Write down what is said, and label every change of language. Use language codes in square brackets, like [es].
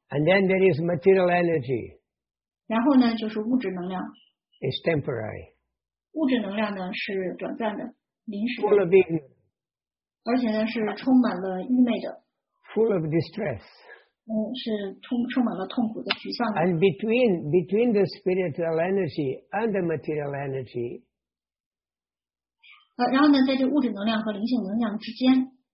[en] And then there is material energy. [zh] 然后呢，就是物质能量。 [en] It's temporary. [zh] 物质能量呢，是短暂的，临时的。 [en] Full of ignorance. [zh] 而且呢，是充满了愚昧的。 [en] Full of distress. [zh] 是充满了痛苦的，沮丧的。 [en] And between the spiritual energy and the material energy, [zh] 然后呢，在这物质能量和灵性能量之间，